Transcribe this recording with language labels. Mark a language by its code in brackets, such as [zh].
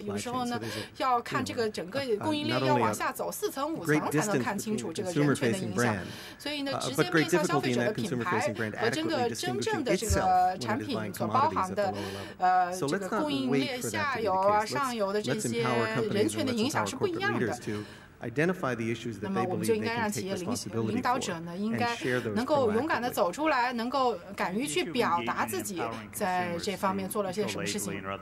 [zh] 有时候呢，要看这个整个供应链要往下走四层五层才能看清楚这个人权的影响。所以呢，直接面向消费者的品牌和这个真正的这个产品所包含的这个供应链下游啊、上游的这些人权的影响是不一样的。 [en] Identify the issues that they believe they can take responsibility for, and share those proactively. [zh] 能够勇敢地走出来，能够敢于去表达自己在这方面做了些什么事情。